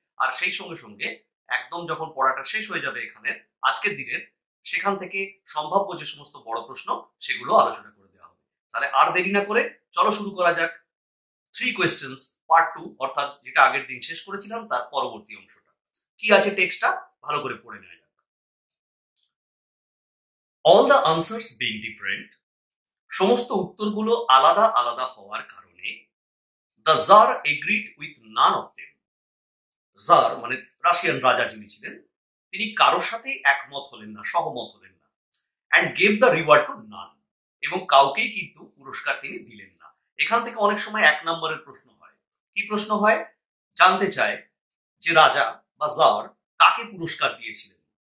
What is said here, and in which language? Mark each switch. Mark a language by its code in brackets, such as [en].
[bn] আর সেই সঙ্গে সঙ্গে একদম যখন পড়াটা শেষ হয়ে যাবে এখানে আজকের দিনের, সেখান থেকে সম্ভাব্য যে সমস্ত বড় প্রশ্ন সেগুলো আলোচনা করে দেওয়া হবে। তাহলে আর দেরি না করে চলো শুরু করা যাক 3 কোয়েশ্চেন্স পার্ট 2, অর্থাৎ যেটা আগের দিন শেষ করেছিলাম তার পরবর্তী অংশটা। কি আছে টেক্সটটা ভালো করে পড়ে নেওয়া। [en] All the answers being different, [bn] সমস্ত উত্তরগুলো আলাদা আলাদা হওয়ার কারণে, [en] the Tsar agreed with none of them. [bn] Tsar মানে রাশিয়ান রাজা যিনি ছিলেন, তিনি কারো সাথে একমত হলেন না, সহমত হলেন না, [en] and gave the reward to none, [bn] এবং কাউকেই কিন্তু পুরস্কার তিনি দিলেন না। এখান থেকে অনেক সময় এক নম্বরের প্রশ্ন হয়, কি প্রশ্ন হয়, জানতে চায় যে রাজা বা Tsar কাকে পুরস্কার দিয়েছিলেন।